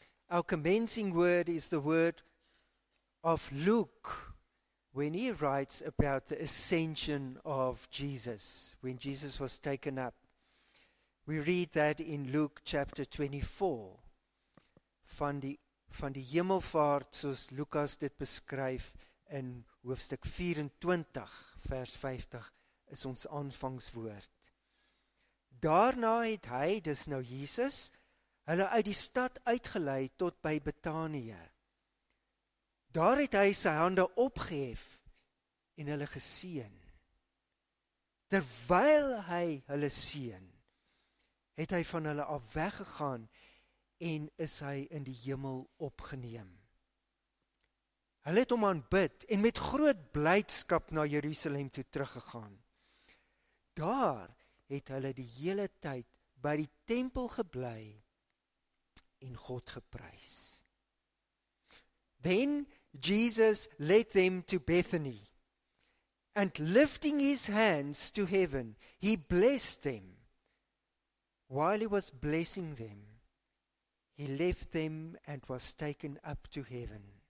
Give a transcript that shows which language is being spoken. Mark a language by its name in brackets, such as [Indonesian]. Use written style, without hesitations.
[English] Our commencing word is the word of Luke, when he writes about the ascension of Jesus, when Jesus was taken up. We read that in Luke chapter 24. [Afrikaans] Van die hemelvaart, soos Lukas dit beskryf in hoofstuk 24 vers 50 is ons aanvangswoord. Daarna het hy, dis nou Jesus, hulle uit die stad uitgeleid tot by Betanië. Daar het hy sy hande opgehef en hulle geseën. Terwyl hy hulle seën, het hy van hulle af weggegaan en is hy in die hemel opgeneem. Hulle het hom aanbid en met groot blydskap na Jerusalem toe teruggegaan. Daar het hulle die hele tyd by die tempel gebly en God geprys. [English] Then Jesus led them to Bethany, and lifting his hands to heaven, he blessed them. While he was blessing them, he left them and was taken up to heaven.